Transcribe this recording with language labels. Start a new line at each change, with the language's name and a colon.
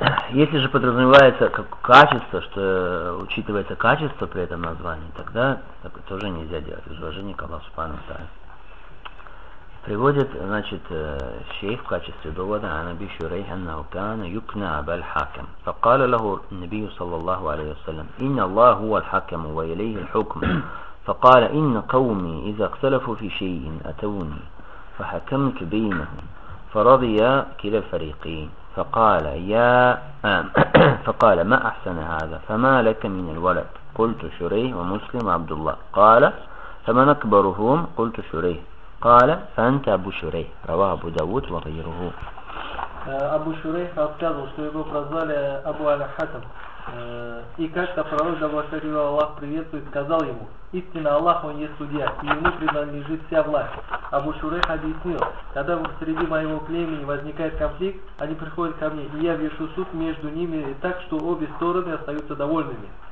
Russian: Если же подразумевается как качество, что учитывается качество при этом названии, тогда так тоже нельзя делать. Из уважения к Аллаху Субхану ва Тааля. Приводит, значит, шейх в качестве довода
Arabic: «Ан Аби Шурайх аннаху кана юкна абаль хакам». «Факала лаху Набию саллаллаху алейхи ва саллям, инна Аллаху аль хакаму ва илейхи аль хукм». فقال إن قومي إذا اختلفوا في شيء أتوني فحكمت بينهم فرضي كلا الفريقين فقال يا فقال ما أحسن هذا فما لك من الولد قلت شريح ومسلم عبد الله قال فمن أكبرهم قلت شريح قال فأنت أبو شريح رواه أبو داود وغيره
Russian: أبو شريح рассказывал, что его прозвали أبو الحكم. И как-то пророк, да благословит его Аллах, приветствует, сказал ему: «Истинно, Аллах, он есть судья, и ему принадлежит вся власть». Абу Шурайх объяснил: «Когда среди моего племени возникает конфликт, они приходят ко мне, и я вешу суд между ними так, что обе стороны остаются довольными».